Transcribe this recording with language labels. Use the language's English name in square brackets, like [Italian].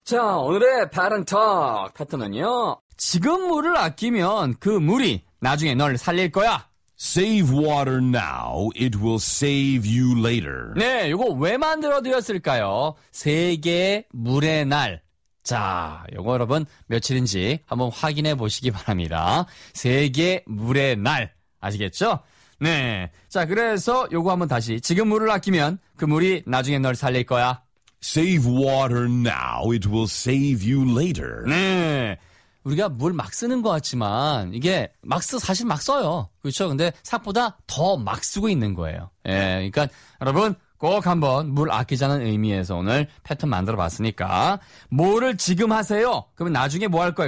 [Korean] 자, 오늘의 바른톡 패턴은요. 지금 물을 아끼면 그 물이 나중에 널 살릴 거야. [English] Save water now, it will save you later. [Korean] 네, 이거 왜 만들어드렸을까요? 세계 물의 날. 자, 이거 여러분 며칠인지 한번 확인해 보시기 바랍니다. 세계 물의 날, 아시겠죠? 네, 자, 그래서 이거 한번 다시. 지금 물을 아끼면 그 물이 나중에 널 살릴 거야. [English] Save water now, it will save you later. [Korean] 네. 우리가 물 막 쓰는 것 같지만 이게 막 써, 사실 막 써요. 그렇죠? 근데 생각보다 더 막 쓰고 있는 거예요. 예, 그러니까 여러분 꼭 한번 물 아끼자는 의미에서 오늘 패턴 만들어봤으니까 뭐를 지금 하세요? 그러면 나중에 뭐 할 거예요?